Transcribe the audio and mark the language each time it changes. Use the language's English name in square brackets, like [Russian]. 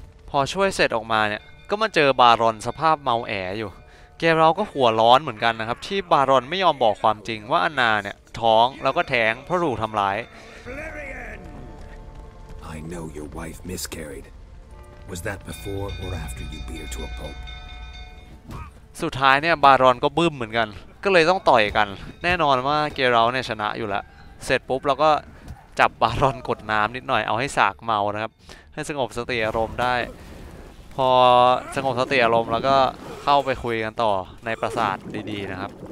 [Thai] พอช่วยเสร็จออกมาเนี่ยก็มาเจอบารอนสภาพเมาแออยู่เกเราก็หัวร้อนเหมือนกันนะครับที่บารอนไม่ยอมบอกความจริงว่าอันนาเนี่ยท้องแล้วก็แท้งเพราะถูกทำร้าย [English] I know your wife miscarried. Was that before or after you beat her to a pulp? [Thai] สุดท้ายเนี่ยบารอนก็บึ้มเหมือนกันก็เลยต้องต่อยกันแน่นอนว่าเกเราเนี่ยชนะอยู่แล้วเสร็จปุ๊บเราก็จับบารอนกดน้ำนิดหน่อยเอาให้สากเมานะครับให้สงบสติอารมณ์ได้พอสงบสติอารมณ์แล้วก็เข้าไปคุยกันต่อในปราสาทดีๆนะครับ